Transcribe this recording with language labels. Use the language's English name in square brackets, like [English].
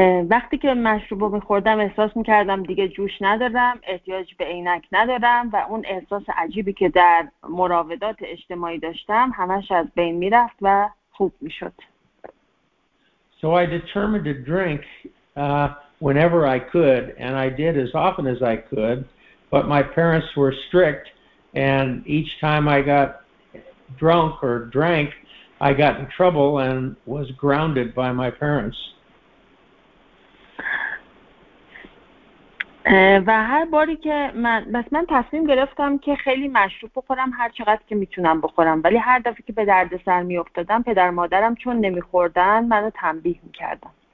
[Persian] وقتی که مشروب رو می‌خوردم احساس می‌کردم دیگه جوش ندارم، احتیاج به عینک ندارم، و اون احساس عجیبی که در مراودات اجتماعی داشتم همش از بین می‌رفت و خوب می‌شد. [English] So I determined to drink whenever I could, and I did as often as I could, but my parents were strict, and each time I got drunk or drank, I got in trouble and was grounded by my parents. [Persian] و هر باری که من تصمیم گرفتم که خیلی مشروب بخورم هر چقدر که میتونم بخورم، ولی هر دفعه که به دردسر میافتادم پدر مادرم چون نمیخوردن منو تنبیه میکردن.